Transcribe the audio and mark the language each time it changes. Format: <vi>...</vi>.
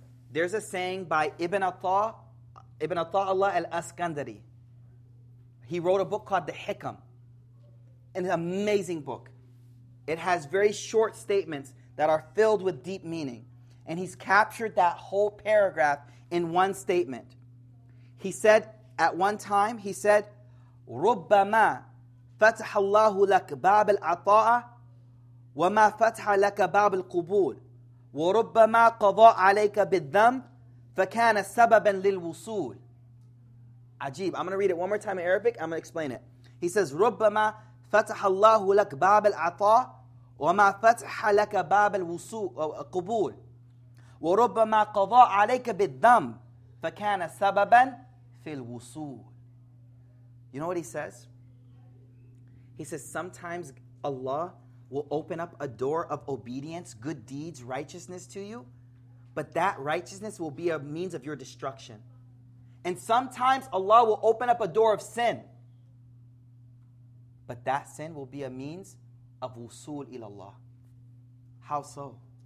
<en>There's a saying by Ibn Atta'Allah al-Asqandari. He wrote a book called The Hikam, an amazing book. It has very short statements that are filled with deep meaning. And he's captured that whole paragraph in one statement. He said, at one time, he said,</en> <ar>رُبَّمَا فَتَحَ اللَّهُ لَكَ بَابِ الْعَطَاءَ وَمَا فَتَحَ لَكَ بَابِ الْقُبُولِ وَرُبَّمَا قَضَى عَلَيْكَ بِالذَّنْبِ فَكَانَ سَبَبًا لِلْوُصُولِ Ajib.</ar> <en>I'm going to read it one more time in Arabic. I'm going to explain it. He says,</en> <ar>رُبَّمَا فَتَحَ اللَّهُ لَكَ بَابِ الْعَطَاءَ وَمَا فَتَحَ لَكَ بَابِ الْقُبُولِ وَرُبَّمَا قَضَى عَلَيْكَ بِالذَّنْبِ فَكَانَ سَبَبًا فِي الْوُصُولِ</ar> <en>You know what he says? He says, sometimes Allah will open up a door of obedience, good deeds, righteousness to you, but that righteousness will be a means of your destruction. And sometimes Allah will open up a door of sin, but that sin will be a means of wusul ila Allah. How so?</en>